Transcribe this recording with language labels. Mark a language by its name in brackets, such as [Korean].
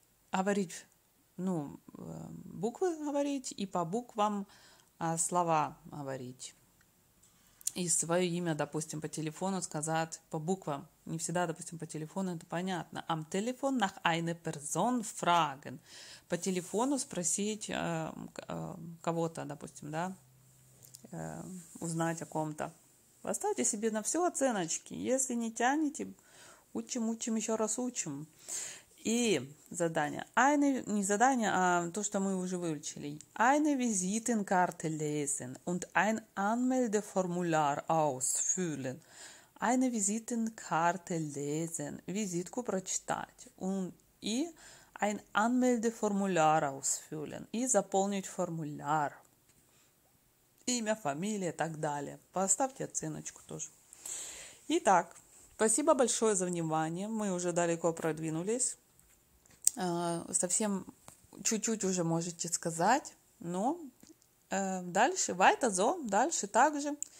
[Russian] Говорить, ну, буквы говорить и по буквам слова говорить. И свое имя, допустим, по телефону сказать по буквам. Не всегда, допустим, по телефону, это понятно. [German] Am Telefon nach einer Person fragen. [Russian] По телефону спросить кого-то, допустим, да? Узнать о ком-то. Поставьте себе на все оценочки. Если не тянете, учим, учим, еще раз учим. И задание. Eine, не задание, а то, что мы уже выучили. [German] Eine Visitenkarte lesen und ein Anmeldeformular ausfüllen. Eine Visitenkarte lesen. [Russian] Визитку прочитать. [German] И ein Anmeldeformular ausfüllen. [Russian] И заполнить формуляр. Имя, фамилия и так далее. Поставьте оценочку тоже. Итак, спасибо большое за внимание. Мы уже далеко продвинулись. Совсем чуть-чуть уже можете сказать. Но дальше, [German] weiter so, [Russian] дальше также.